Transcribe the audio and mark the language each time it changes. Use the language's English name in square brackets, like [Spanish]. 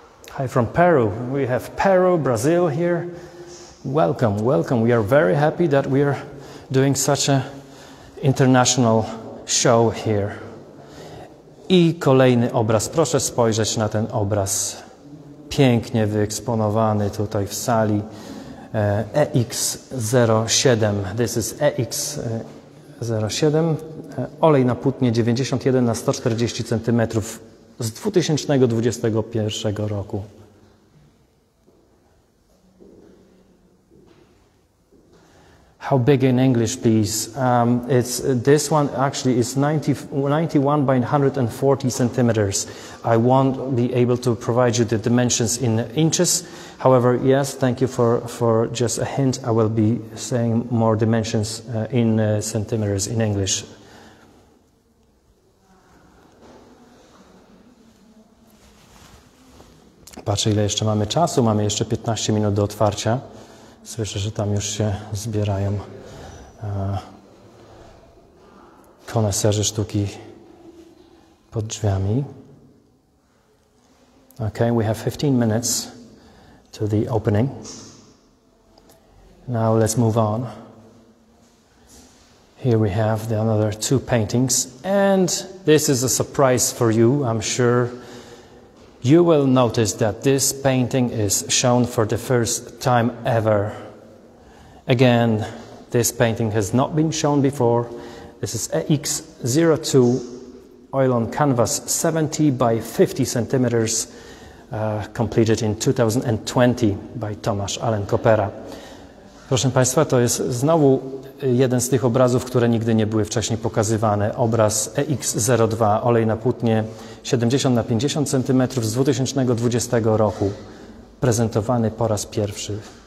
[English] Hi from Peru. We have Peru, Brazil here. Welcome, welcome. We are very happy that we are doing such an international show here. [Polish] I kolejny obraz. Proszę spojrzeć na ten obraz. Pięknie wyeksponowany tutaj w sali. [English] EX07. This is EX07. [Polish] Olej na płótnie 91 na 140 cm z 2021 roku. [English] How big in English, please? It's this one actually is 91 by 140 centimeters. I won't be able to provide you the dimensions in inches. However, yes, thank you for just a hint. I will be saying more dimensions in centimeters in English. [Polish] Patrzę, ile jeszcze mamy czasu. Mamy jeszcze 15 minut do otwarcia. Słyszę, że tam już się zbierają koneserzy sztuki pod drzwiami. [English] Okay, we have 15 minutes to the opening. Now let's move on. Here we have the another two paintings. And this is a surprise for you, I'm sure. You will notice that this painting is shown for the first time ever. Again, this painting has not been shown before. This is EX02, oil on canvas, 70 by 50 centimeters, completed in 2020 by Tomasz Allen Coppera. [Polish] Proszę Państwa, to jest znowu jeden z tych obrazów, które nigdy nie były wcześniej pokazywane. Obraz EX02, olej na płótnie, 70 na 50 centymetrów z 2020 roku, prezentowany po raz pierwszy.